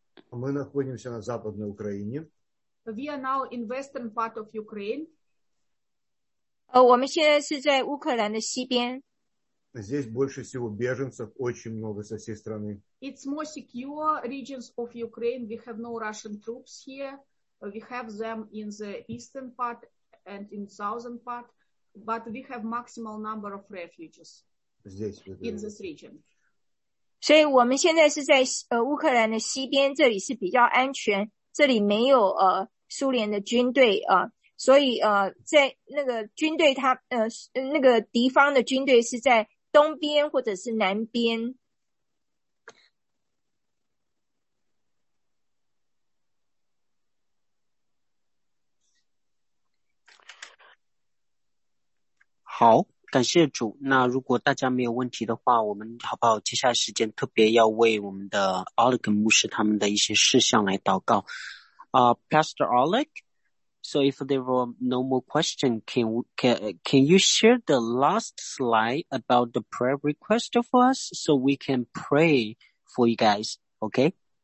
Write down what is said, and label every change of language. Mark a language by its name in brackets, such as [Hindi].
[Russian] Мы находимся на западной Украине. [English] We are now in western part of Ukraine. [Chinese] 我们现在是在乌克兰的西边。 [Russian] Здесь больше всего беженцев, очень много со всей страны. [English] It's more secure regions of Ukraine. We have no Russian troops here. We have them in the eastern part and in southern part. But we have maximal number of refugees in this region. [Chinese] 所以我们现在是在乌克兰的西边，这里是比较安全，这里没有苏联的军队所以在那个军队他那个敌方的军队是在东边或者是南边。好，感谢主。那如果大家没有问题的话，我们好不好接下来时间特别要为我们的 Oleg 牧师他们的一些事项来祷告。 [English] Pastor Oleg,So if there were no more questions, can you share the last slide about the prayer request for us so we can pray for you guys, okay?